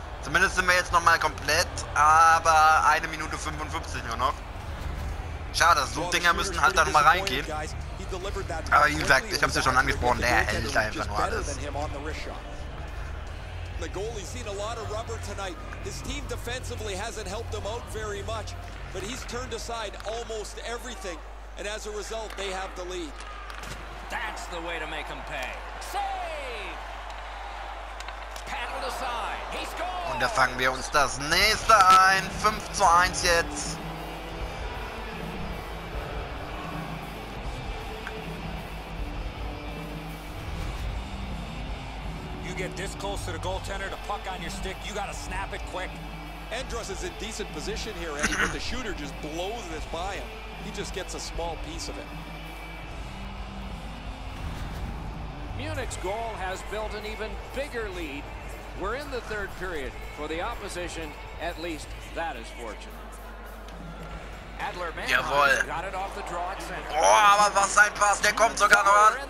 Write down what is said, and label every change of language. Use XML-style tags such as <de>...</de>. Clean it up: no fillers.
<de>Zumindest sind wir jetzt nochmal komplett, aber 1 Minute 55 nur noch. Schade, so Dinger müssen halt da nochmal reingehen. Aber wie gesagt, ich hab's ja schon angesprochen, der hält einfach nur alles.</de> <en>The goalie's seen a lot of rubber tonight. His team defensively hasn't helped him out very much, but he's turned aside almost everything, and as a result, they have the lead. That's the way to make him pay. Save! Paddled aside. He scores!</en> <de>Und da fangen wir uns das nächste ein. 5-1 jetzt.</de> <en>get this close to the goaltender, the puck on your stick, you gotta snap it quick. Endress is in decent position here, Eddie, but the shooter just blows this by him. He just gets a small piece of it. Munich's goal has built an even bigger lead. We're in the third period. For the opposition, at least that is fortunate. Adler, man, jawohl. Got it off the draw at center.</en> <de>Oh, aber was ein Pass, der kommt sogar noch an.</de>